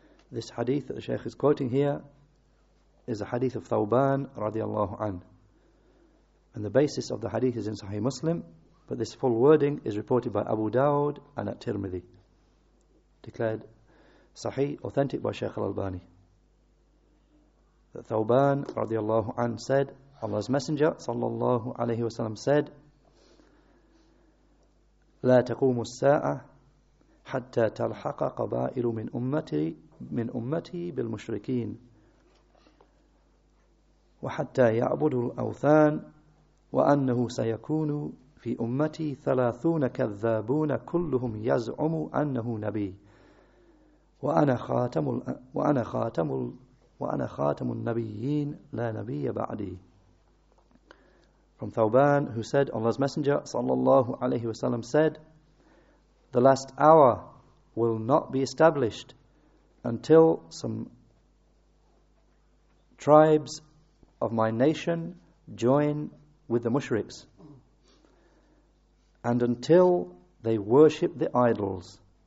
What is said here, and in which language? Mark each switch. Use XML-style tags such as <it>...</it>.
<en>This hadith that the Shaykh is quoting here is a hadith of Thawban radiallahu an. And the basis of the hadith is in Sahih Muslim, but this full wording is reported by Abu Dawud and at Tirmidhi, declared Sahih, authentic by Shaykh al-Albani. That Thawban radiallahu an said, Allah's Messenger sallallahu alayhi wa sallam said,</en> <ar>لا تقوم الساعة حتى تلحق قبائل من أمتي بالمشركين وحتى يعبد الأوثان وأنه سيكون في أمتي 30 كذابون كلهم يزعم أنه نبي وأنا خاتم النبيين لا نبي بعدي.</ar> <en>From Thawban, who said, Allah's Messenger sallallahu alayhi wasallam said, the last hour will not be established until some tribes of my nation join with the mushriks, and until they worship the idols,</en>